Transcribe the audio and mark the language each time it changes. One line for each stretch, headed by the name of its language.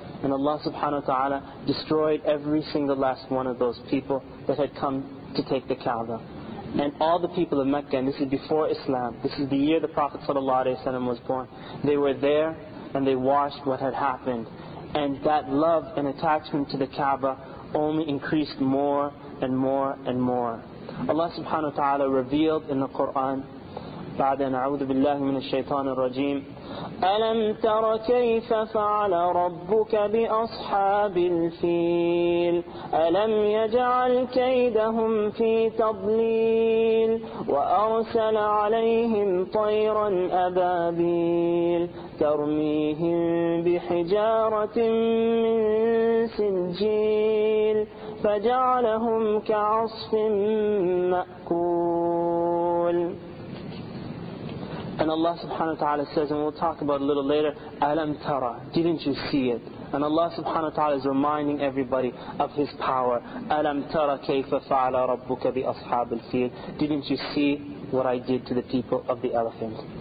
English: And Allah subhanahu wa ta'ala destroyed every single last one of those people that had come to take the Kaaba. And all the people of Mecca, and this is before Islam, this is the year the Prophet sallallahu alayhi wa sallam was born, they were there, and they watched what had happened. And that love and attachment to the Kaaba only increased more and more and more. Allah subhanahu wa ta'ala revealed in the Quran,
Arabic: بعد أن أعوذ بالله من الشيطان الرجيم ألم تر كيف فعل ربك بأصحاب الفيل ألم يجعل كيدهم في تضليل وأرسل عليهم طيرا أبابيل ترميهم بحجارة من سجيل فجعلهم كعصف مأكول.
English: And Allah subhanahu wa ta'ala says, and we'll talk about it a little later,
Arabic: أَلَمْ تَرَى,
English: didn't you see it? And Allah subhanahu wa ta'ala is reminding everybody of His power.
Arabic: أَلَمْ تَرَى كَيْفَ فَعَلَ رَبُّكَ بِأَصْحَابِ الْفِيلِ,
English: didn't you see what I did to the people of the elephant?